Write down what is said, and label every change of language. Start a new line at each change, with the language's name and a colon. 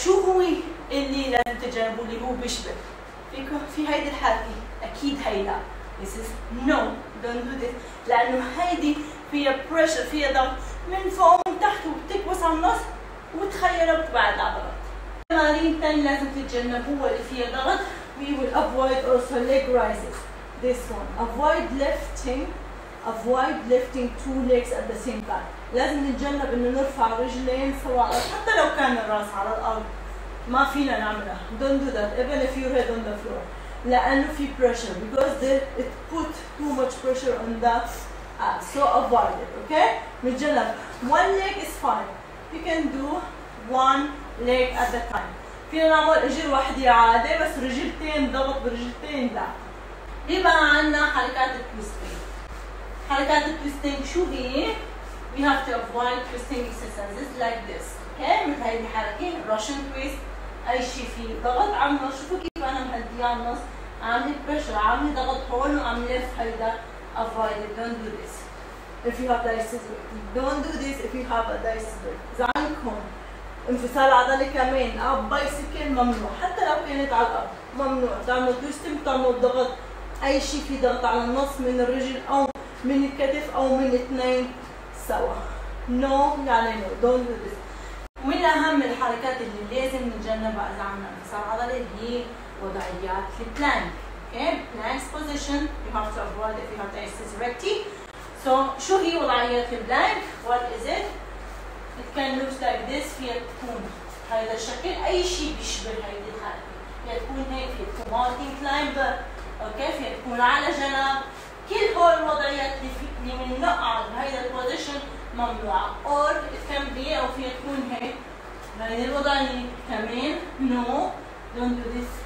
Arabic: شو هو اللي لازم تتجنبوه اللي هو بيشبه؟ فيكم في هيدي الحركة أكيد هيدا.
English: This is no, don't do this.
Arabic: لأنه هيدي فيها pressure فيها ضغط من فوق ومن تحت وبتكبس على النص وتخيلها وبتبعد العضلات. تمارين ثانية لازم تتجنبوها اللي فيها ضغط.
English: We will avoid also leg raises. This one. Avoid lifting. Avoid lifting two legs at the same time.
Arabic: لازم نتجنب انه نرفع رجلين سواء حتى لو كان الراس على الارض، ما فينا نعملها.
English: Don't do that even if your head on the floor.
Arabic: لانه في
English: pressure because it put too much pressure on that ass. So avoid it, okay؟
Arabic: نتجنب.
English: One leg is fine. You can do one leg at a time.
Arabic: فينا نعمل رجل واحدة عادي بس رجلتين ضغط برجلتين لا. يبقى عندنا حركات التويستينج. حركات التويستينج شو هي؟
English: We have to avoid twisting exercises like this.
Arabic: Okay, مثل هاي الحركة Russian twist. أي شيء فيه ضغط عم نص، شوفوا كيف أنا مهدي على النص، عم بريشر عم ضغط هون وعم لف هيدا.
English: Avoid it. Don't do this. If you have a dysphagia, don't do this. If you have a dysphagia,
Arabic: إذا عندكم انفصال عضلي كمان أو بايسكل ممنوع، حتى لو كانت على الأرض ممنوع تعمل twisting تعمل ضغط. أي شيء فيه ضغط على النص من الرجل أو من الكتف أو من اثنين سوا.
English: No
Arabic: يعني
English: no. Don't do this.
Arabic: ومن أهم الحركات اللي لازم نتجنبها إذا عملنا انفصال عضلي هي وضعيات البلانك.
English: Okay, plank position. You have to avoid if you have to exercise erectly.
Arabic: So شو هي وضعيات البلانك؟
English: What is it? It can look like this.
Arabic: فيها تكون هذا الشكل، أي شيء بيشبه هذه الحركة. فيها تكون هيك، فيها تكون mountain climber. Okay, فيها تكون على جنب. كل هول الوضعيات اللي من نقعد بهيدا البوزيشن ممنوعة، اور كان بي او فيها تكون هيك هيدي الوضعية كمان
English: No don't do this.